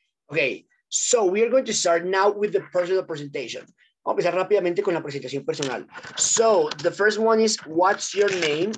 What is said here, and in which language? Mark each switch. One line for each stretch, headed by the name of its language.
English: Okay, so we are going to start now with the personal presentation.
Spanish: Vamos a empezar rápidamente con la presentación personal.
English: So the first one is, what's your name?